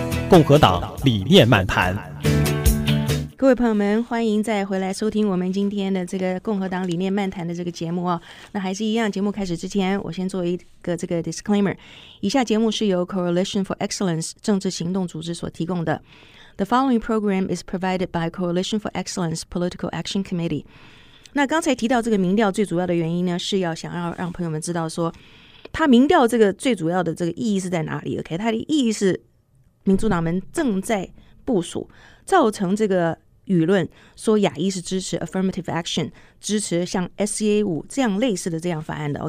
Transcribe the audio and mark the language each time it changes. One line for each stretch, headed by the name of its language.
Chinese: 共和党理念漫谈。各位朋友们，欢迎再回来收听我们今天的这个共和党理念漫谈的这个节目啊。那还是一样，节目开始之前我先做一个这个 disclaimer。以下节目是由 Coalition for Excellence 政治行动组织所提供的。
English: The following program is provided by Coalition for Excellence Political Action Committee。
Chinese: 那刚才提到这个民调最主要的原因呢，是要想要让朋友们知道说他民调这个最主要的这个意义是在哪里。 OK， 他的意义是民主党们正在部署造成这个舆论，说亚裔是支持 affirmative action， 支持像 SCA5 这样类似的这样法案的。